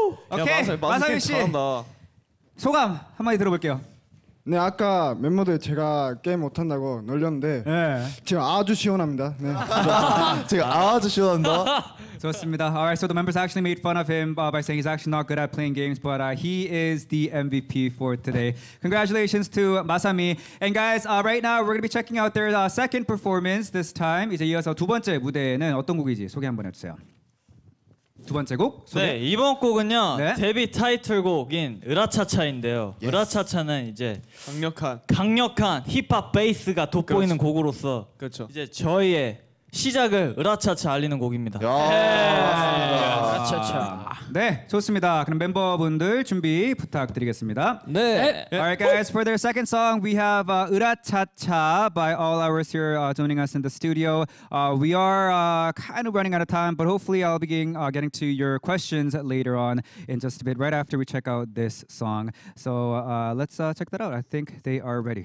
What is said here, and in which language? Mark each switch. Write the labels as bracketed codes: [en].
[ko] 오케이 마사미 씨 소감 한마디 들어볼게요. 네 아까 멤버들 제가 게임 못한다고 놀렸는데 네. 지금 아주 시원합니다. 네. 제가 아주 시원합니다. 좋습니다. [en] Alright, so the members actually made fun of him by saying he's actually not good at playing games, but he is the MVP for today. Congratulations to Masami. And guys, right now we're gonna be checking out their second performance this time. [ko] 이제 이어서 두 번째 무대는 어떤 곡이지 소개 한번 해주세요. 두 번째 곡 소개? 네 이번 곡은요 네? 데뷔 타이틀곡인 으라차차인데요. 예스. 으라차차는 이제 강력한 힙합 베이스가 돋보이는 그렇죠. 곡으로서 그렇죠. 이제 저희의 시작을 으라차차 알리는 곡입니다. 야~ 네. 으라차차. 네 좋습니다. 그럼 멤버분들 준비 부탁드리겠습니다. 네. 네. [en] Alright guys, for their second song, we have 으라차차 by all hours here joining us in the studio. We are kind of running out of time, but hopefully I'll be getting to your questions later on in just a bit, right after we check out this song. So let's check that out. I think they are ready.